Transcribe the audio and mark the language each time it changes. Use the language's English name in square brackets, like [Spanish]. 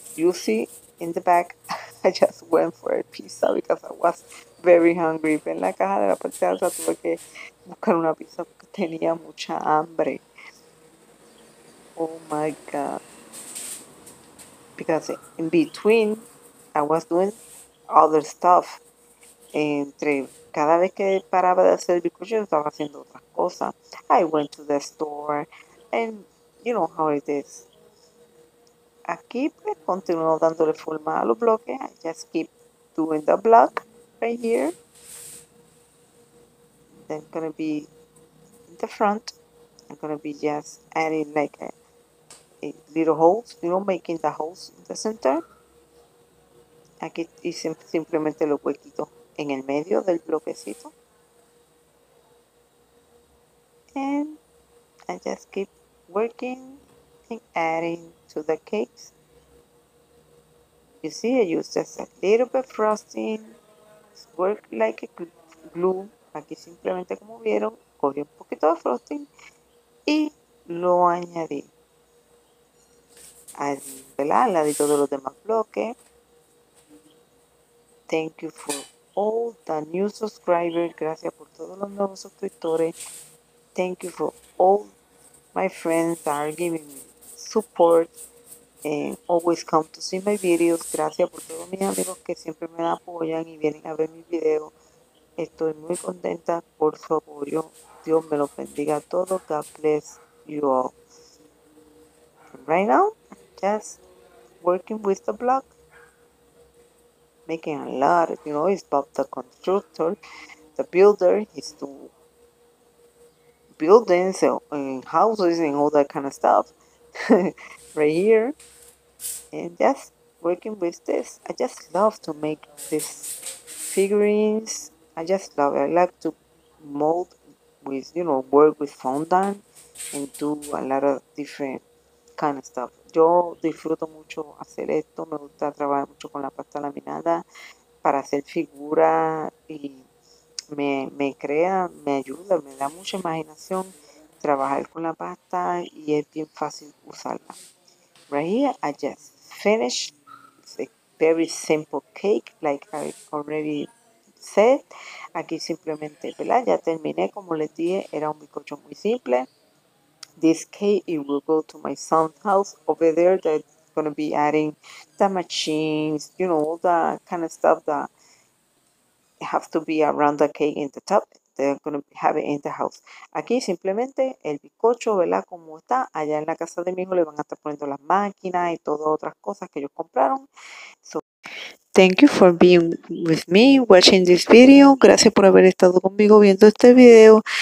[English] You see, in the back, I just went for a pizza because I was very hungry. [Spanish] En la caja de la parte alta tuve que buscar una pizza porque tenía mucha hambre. [English] Oh my God. Because in between, I was doing other stuff. [Spanish] Entre cada vez que paraba de hacer el bizcocho, yo estaba haciendo otras cosas. [English] I went to the store, and you know how it is. [Spanish] Aquí, pues, continúo dándole forma a los bloques. [English] I just keep doing the block right here. Then gonna be in the front. I'm gonna be just adding like a little holes, you know, making the holes in the center. [Spanish] Aquí hice simplemente los huequitos en el medio del bloquecito. [English] And I just keep working and adding to the cakes. You see, I use just a little bit of frosting. It's work like a glue. [Spanish] Aquí simplemente, como vieron, cogí un poquito de frosting y lo añadí al ladito de los demás bloques. [English] Thank you for all the new subscribers. [Spanish] Gracias por todos los nuevos suscriptores. [English] Thank you for all my friends that are giving me support and always come to see my videos. [Spanish] Gracias por todos mis amigos que siempre me apoyan y vienen a ver mis videos. Estoy muy contenta por su apoyo. Dios me los bendiga a todos. [English] God bless you all. And right now, just working with the block. Making a lot, you know, it's about the constructor, the builder, he's doing buildings and houses and all that kind of stuff. Right here. And just working with this. I just love to make this figurines. I just love it. I like to mold with, you know, work with fondant and do a lot of different kind of stuff. [Spanish] Yo disfruto mucho hacer esto. Me gusta trabajar mucho con la pasta laminada para hacer figuras y me crea, me ayuda, me da mucha imaginación trabajar con la pasta y es bien fácil usarla. [English] Right here, I just finished. It's a very simple cake, like I already said. [Spanish] Aquí simplemente, ¿verdad? Ya terminé, como les dije, era un bizcocho muy simple. [English] This cake, it will go to my son's house over there. They're going to be adding the machines, you know, all the kind of stuff that have to be around the cake in the top. They're going to have it in the house. [Spanish] Aquí simplemente el bizcocho, ¿verdad? Como está allá en la casa de mi hijo, le van a estar poniendo las máquinas y todas otras cosas que ellos compraron. [English] So, thank you for being with me, watching this video. [Spanish] Gracias por haber estado conmigo viendo este video.